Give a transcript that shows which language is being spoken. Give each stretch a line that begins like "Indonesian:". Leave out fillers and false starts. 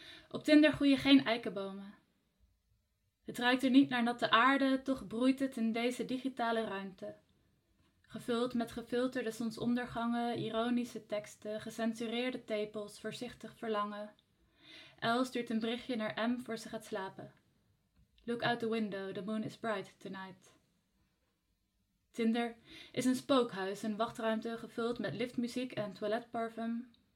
Dutch: Op Tinder groeien geen eikenbomen. Het ruikt er niet naar natte aarde, toch broeit het in deze digitale ruimte. Gevuld met gefilterde zonsondergangen, ironische teksten, gecensureerde tepels, voorzichtig verlangen. El stuurt een berichtje naar M voor ze gaat slapen.
English: Look out the window, the moon is bright tonight.
Dutch: Tinder is een spookhuis, een wachtruimte gevuld met liftmuziek en toiletparfum.